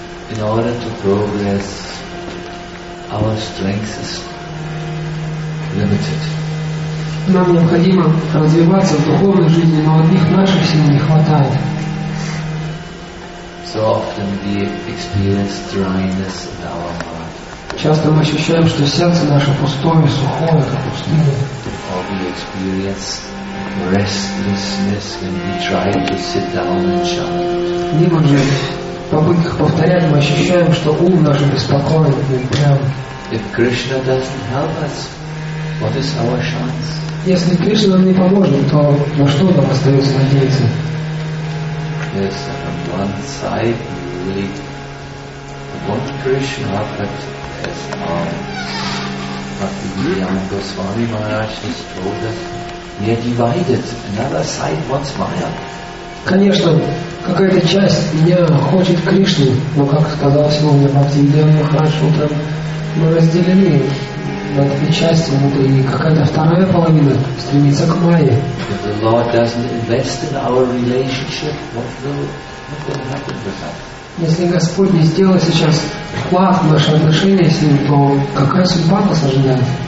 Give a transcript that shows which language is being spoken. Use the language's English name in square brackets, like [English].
[English] In order to progress, our strength is limited. [Russian] Нам необходимо развиваться в духовной жизни, но одних наших сил не хватает. [English] So often we experience dryness in our heart. [Russian] Часто мы ощущаем, что сердце наше пустое, сухое, как пустыня. [English] Or we experience restlessness when we try to sit down and chant. [Russian] Не можем в попытках повторять, мы ощущаем, что ум наш беспокоен и прям. [English] If Krishna doesn't help us, what is our chance? [Russian] Если Кришна нам не поможет, то на что нам остается надеяться? [English] Yes, on one side we want Krishna, but as our Bhaktivinoda Goswami Maharaj has told us. We are divided. Another side wants Maya. [Russian] Конечно, какая-то часть меня хочет Кришны, но как сказал сегодня Бхактивинода Махарадж утром, мы разделены на две части, и какая-то вторая половина стремится к Майе. [English] If the Lord doesn't invest in our relationship, what will happen with that? [Russian] Если Господь не сделает сейчас вклад в наши отношения с Ним, то какая судьба нас ожидает?